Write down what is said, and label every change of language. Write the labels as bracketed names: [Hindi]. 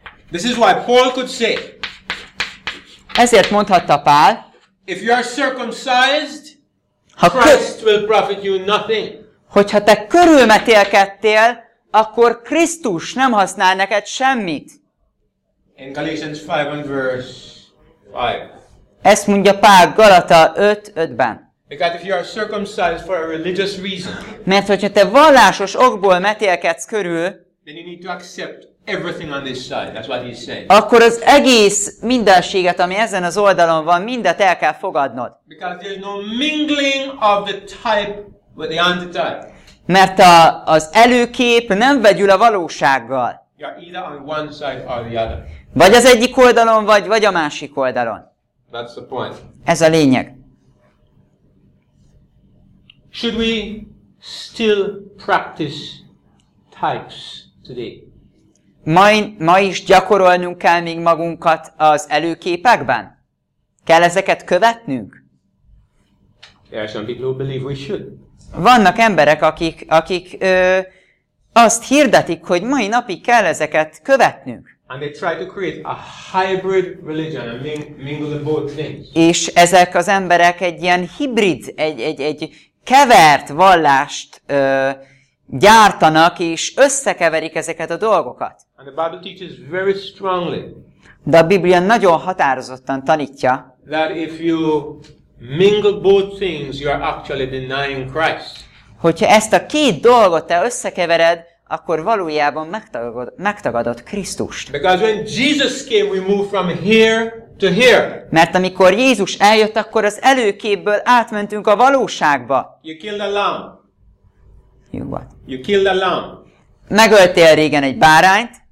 [English] This is why Paul could say. [Hungarian] Ezért mondhatta Pál. [English] If you are circumcised, Christ will profit you nothing. [Hungarian] Hogyha te körülmetélkedtél, akkor Krisztus nem használ neked semmit. [English] In Galatians 5 and verse 5. [Hungarian] Ezt mondja Pál Galata 5:5-ben. [English] Because if you are circumcised for a religious reason. [Hungarian] Mert hogyha te vallásos okból metélkedsz körül, [English] then you need to accept everything on this side. That's what he's saying. [Hungarian] Akkor az egész mindenséget, ami ezen az oldalon van, mindet el kell fogadnod. [English] Because there's no mingling of the type with the anti-type. [Hungarian] Mert az előkép nem vegyül a valósággal. [English] You're either on one side or the other. [Hungarian] Vagy az egyik oldalon vagy a másik oldalon. [English] That's the point. [Hungarian] Ez a lényeg. [English] Should we still practice types today? [Hungarian] Ma is gyakorolnunk kell még magunkat az előképekben? Kell ezeket követnünk? [English] There are some people who believe we should. [Hungarian] Vannak emberek, akik azt hirdetik, hogy mai napig kell ezeket követnünk. [English] And they try to create a hybrid religion and mingle both things. [Hungarian] És ezek az emberek egy ilyen hibrid, egy kevert vallást gyártanak, és összekeverik ezeket a dolgokat. [English] And the Bible teaches very strongly. [Hungarian] De a Biblia nagyon határozottan tanítja. [English] That if you mingle both things, you are actually denying Christ. [Hungarian] Hogyha ezt a két dolgot te összekevered, akkor valójában megtagadod Krisztust. [English] Because when Jesus came, we moved from here to here. [Hungarian] Mert amikor Jézus eljött, akkor az előképből átmentünk a valóságba. [English] You killed a lamb. You what? You killed a lamb. [Hungarian] Megöltél régen egy bárányt.